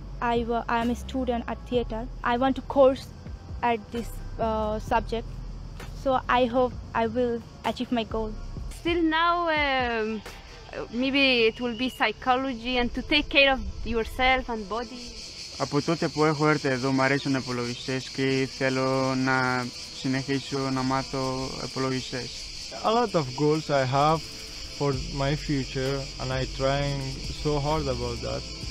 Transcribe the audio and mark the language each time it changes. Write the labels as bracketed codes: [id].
[en] I'm a student at theater. I want to course at this subject, so I hope I will achieve my goal. Still now, maybe it will be psychology and to take care of yourself and body. [el] Από τότε που έχω έρθει εδώ, μου αρέσουν οι υπολογιστές και θέλω να συνεχίσω να μάθω υπολογιστές. [en] A lot of goals I have for my future, and I trying so hard about that.